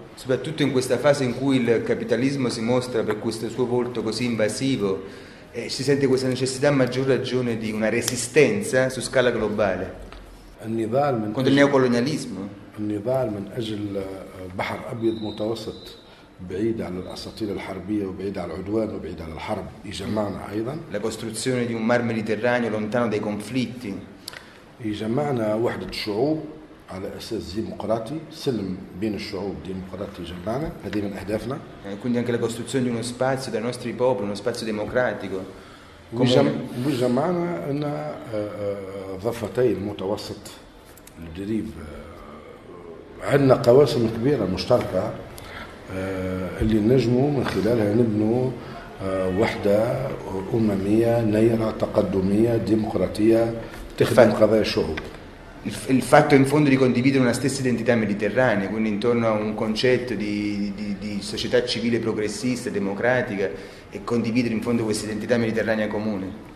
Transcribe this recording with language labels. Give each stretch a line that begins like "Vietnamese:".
Italian: Soprattutto in questa fase in cui il capitalismo si mostra per questo suo volto così invasivo, si sente questa necessità a maggior ragione di una resistenza su scala globale.
Arabic: النضال من
Italian: contro il neocolonialismo.
Arabic: النضال من أجل بحر أبيض متوسط بعيد عن الأساطير الحربية وبعيد عن العدوان وبعيد عن الحرب يجمعنا أيضا.
Italian: La costruzione di un mar Mediterraneo lontano dai conflitti.
Arabic: يجمعنا وحدة الشعوب على أساس ديمقراطي سلم بين الشعوب ديمقراطي يجمعنا هذه من أهدافنا.
Italian: Quindi anche la costruzione di uno spazio dai nostri popoli uno spazio democratico.
Arabic: ويجمعنا أن ضفتي المتوسط الجريب عندنا قواسم كبيرة مشتركة اللي نجمو من خلالها نبنو وحدة أممية نيرة تقدمية ديمقراطية تخدم قضايا الشعوب.
Italian: Il fatto in fondo di condividere una stessa identità mediterranea, quindi intorno a un concetto di società civile progressista democratica e condividere in fondo questa identità mediterranea comune.